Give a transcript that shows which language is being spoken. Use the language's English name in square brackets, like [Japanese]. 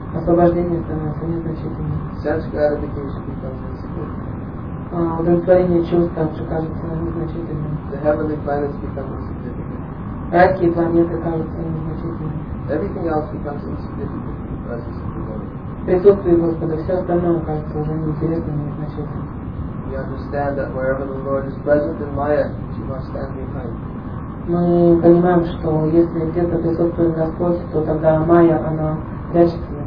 [Russian] Освобождение становится незначительным. [English] Sense gratification becomes insignificant. [Russian] Удовлетворение чувств также кажется незначительным. [English] The heavenly planets become insignificant. [Russian] Райские планеты кажутся незначительными. [English] Everything else becomes insignificant in the presence of the Lord. [Russian] Присутствие Господа, все остальное кажется уже неинтересным и незначительным. [English] We understand that wherever the Lord is present in Maya, she must stand behind. [Russian] Мы понимаем, что если где-то присутствует Господь, то тогда Майя, она прячется.